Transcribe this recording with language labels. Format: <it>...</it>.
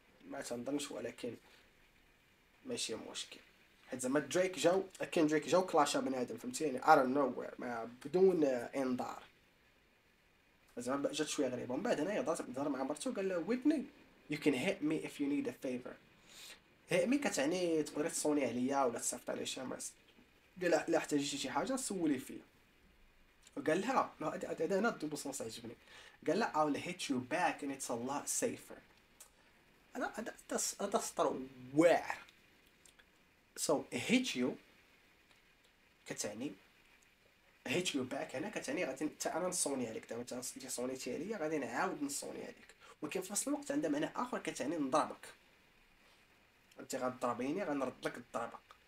<ar>ما تنظنش، ولكن ماشي مشكل حيت زعما دريك جاو كيندريك جاو كلاشا بنادم، فهمتيني؟ اي دون نو وير، ما بدون انذار زعما جات شويه غريبه. ومن بعد انايا ضرب مع مرتو قال له</ar> <en>ويتني you can hit me if you need a favour.</en> <ar>هيت مي كتعني تقدر تصوني عليا ولا تصيفط عليا شي مس. قال لا احتاجتي شي حاجه سولي فيا. وقال لها هذا انا الدوب صوص عجبني. قال لا</ar> <en>I'll hit you back and it's a lot safer.</en> <ar>انا هذا سطر واعر.</ar> <en>So hit you</en> <ar>كتعني</ar> <en>hit you back،</en> <ar>هنا كتعني غادي انت انا نصوني عليك، دابا انت صونيتي عليا غادي نعاود نصوني عليك، ولكن في نفس الوقت عندها معنى اخر كتعني نضربك، انت غتضربيني غنرد لك الضربه.</ar>